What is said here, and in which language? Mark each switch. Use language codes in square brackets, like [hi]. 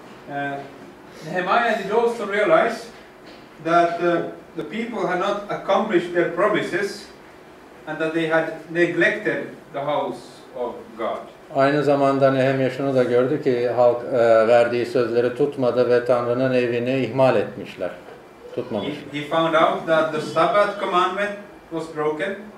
[en] Nehemiah did also realize that the people had not accomplished their promises and that they had neglected the house of God. [tr] Aynı zamanda Nehemiya şunu da gördü ki halk verdiği sözleri tutmadı ve Tanrı'nın evini ihmal etmişler. Tutmamış. [en] He found out that the Sabbath commandment was broken.